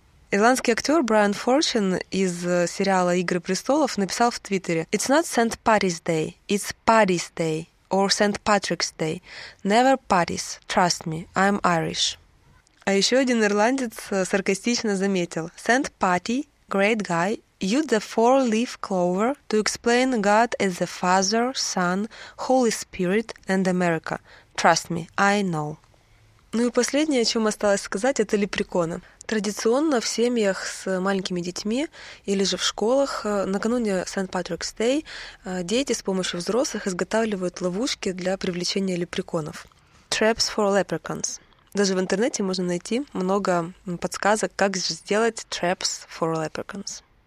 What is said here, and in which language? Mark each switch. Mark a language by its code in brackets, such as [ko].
[ru] Ирландский актер Брайан Форчин из сериала «Игры престолов» написал в Твиттере: [en] «It's not St. Patrick's Day, it's Paddy's Day or St. Patrick's Day. Never Paddy's, trust me, I'm Irish». [ru] А еще один ирландец саркастично заметил: [en] «St. Patty, great guy. Use the four-leaf clover to explain God as the Father, Son, Holy Spirit and America. Trust me, I know». [ru] Ну и последнее, о чем осталось сказать, это лепреконы. Традиционно в семьях с маленькими детьми или же в школах накануне [en] St. [ru] Patrick's Day дети с помощью взрослых изготавливают ловушки для привлечения лепреконов. [en] Traps for leprechauns. [ru] Даже в интернете можно найти много подсказок, как сделать [en] traps for leprechauns.